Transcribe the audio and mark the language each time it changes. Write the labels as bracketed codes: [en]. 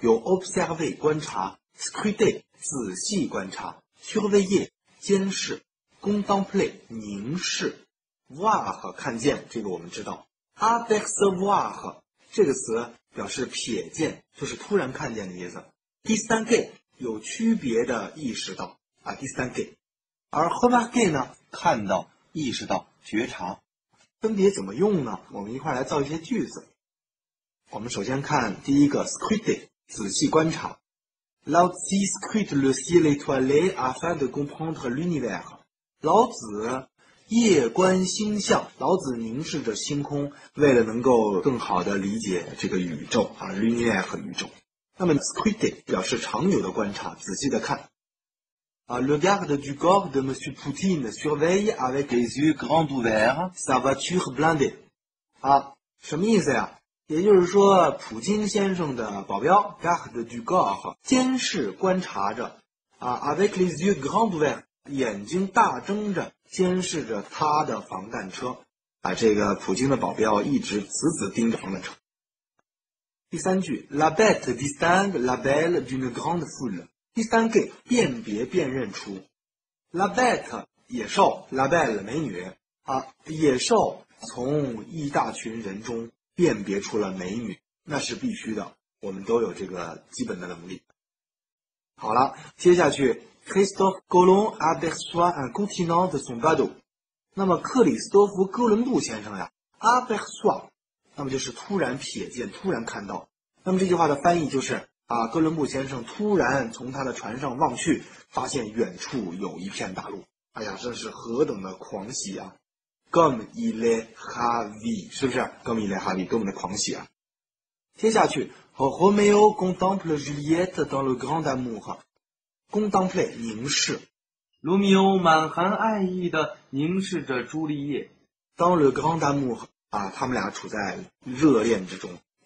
[zh] 有 observer 观察 scruter仔细观察 surveiller 监视 contempler 凝视 voir 看见，这个我们知道 apercevoir 这个词表示瞥见，就是突然看见的意思。 distinguer 有区别的意识到啊 distinguer， 而 remarquer 呢，看到意识到觉察。分别怎么用呢？我们一块来造一些句子。我们首先看第一个 scruter 仔细观察，老子 [fr] scrute le ciel étoilé afin de comprendre l'univers。 [zh] 老子夜观星象，老子凝视着星空，为了能够更好的理解这个宇宙啊 l'univers 宇宙。那么 [fr] scrute [zh] 表示常有的观察，仔细的看啊 [fr] le garde du corps de monsieur Poutine surveille avec les yeux grands ouverts sa voiture blindée。 [zh] 啊，什么意思呀？也就是说普京先生的保镖 [fr] garde du corps [zh] 监视观察着啊 [fr] avec les yeux grands ouverts [zh] 眼睛大睁着监视着他的防弹车，把这个普京的保镖一直死死盯着防弹车。第三句 [fr] la bête distingue la belle d'une grande foule， [zh] distingue 辨别辨认出 [fr] la bête [zh] 野兽 [fr] la belle [zh] 美女啊，野兽从一大群人中辨别出了美女，那是必须的，我们都有这个基本的能力。好了，接下去 [fr] Christophe Colomb aperçoit un continent de son bateau。 [zh] 那么克里斯多夫哥伦布先生呀 aperçoit 那么就是突然瞥见，突然看到。那么这句话的翻译就是啊，哥伦布先生突然从他的船上望去，发现远处有一片大陆。哎呀，真是何等的狂喜啊。 [fr] comme il est ravi， [zh] 是不是 [fr] ？comme il est ravi， 多么的狂喜啊！ [zh] 接下去 [fr] ，Roméo contemple Juliette dans le grand amour， contemple [zh] 凝视。罗密欧满含爱意的凝视着朱丽叶。 [fr] Dans le grand amour， [zh] 啊，他们俩处在热恋之中。